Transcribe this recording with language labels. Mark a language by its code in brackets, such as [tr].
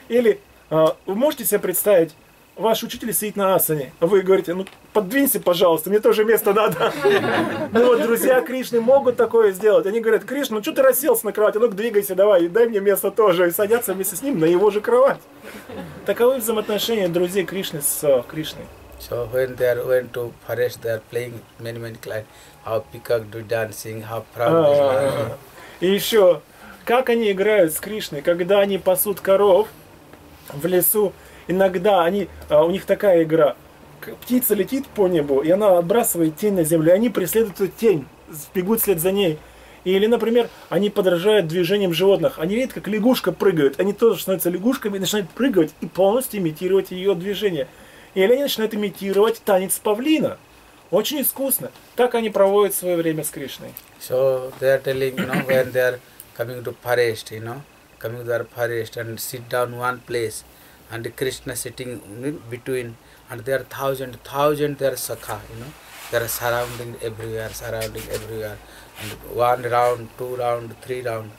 [ru] Или вы можете себе представить, ваш учитель сидит на асане, а вы говорите, ну подвинься, пожалуйста, мне тоже место надо. Ну вот друзья Кришны могут такое сделать. Они говорят, Кришна, ну что ты расселся на кровати? Ну-ка двигайся, давай, и дай мне место тоже. И садятся вместе с ним на его же кровать. Таковы взаимоотношения друзей Кришны с Кришной. [en] So when they are going to forest, they are playing many, many clients. How peacock do dancing, how proud is [ru] И еще, как они играют с Кришной, когда они пасут коров в лесу. Иногда они, у них такая игра. Птица летит по небу, и она отбрасывает тень на землю, и они преследуют эту тень, бегут вслед за ней. Или, например, они подражают движениям животных. Они видят, как лягушка прыгает. Они тоже становятся лягушками и начинают прыгать и полностью имитировать ее движение. Или они начинают имитировать танец павлина. Очень искусно. Так они проводят свое время с Кришной. [en] So they are telling, you know, when they are coming to forest, you know, coming to their forest and sit down one place. And Krishna sitting between, and there are thousand there are sakha, you know. They are surrounding everywhere. And one round, two round, three round.